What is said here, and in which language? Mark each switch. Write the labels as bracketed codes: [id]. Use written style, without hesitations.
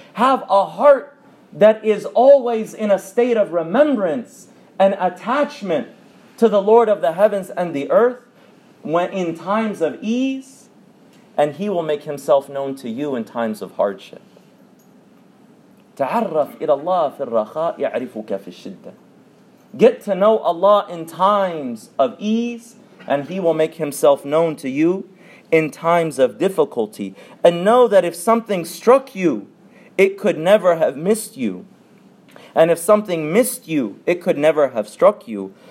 [en] Have a heart that is always in a state of remembrance and attachment to the Lord of the heavens and the earth, when in times of ease, and He will make Himself known to you in times of hardship. [ar] تعرف إلى الله في الرخاء يعرفك في الشدة. [en] Get to know Allah in times of ease, and He will make Himself known to you in times of difficulty. And know that if something struck you, it could never have missed you. And if something missed you, it could never have struck you.